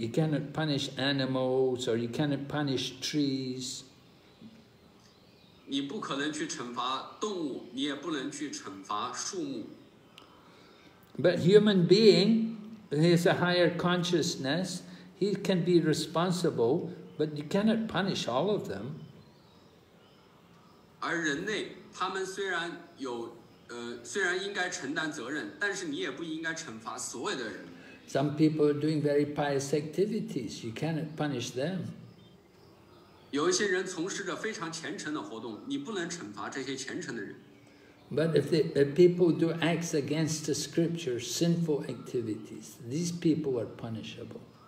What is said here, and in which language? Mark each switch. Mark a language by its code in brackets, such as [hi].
[en] You cannot punish animals or you cannot punish trees. [zh] 你不可能去惩罚动物,你也不能去惩罚树木。 [en] But human being, he is a higher consciousness, he can be responsible, but you cannot punish all of them. [zh] 而人类,他们虽然应该承担责任,但是你也不应该惩罚所有的人。 [en] Some people are doing very pious activities, you cannot punish them. [zh] 有一些人从事着非常虔诚的活动,你不能惩罚这些虔诚的人。 [en] But if people do acts against the scripture, sinful activities, these people are punishable.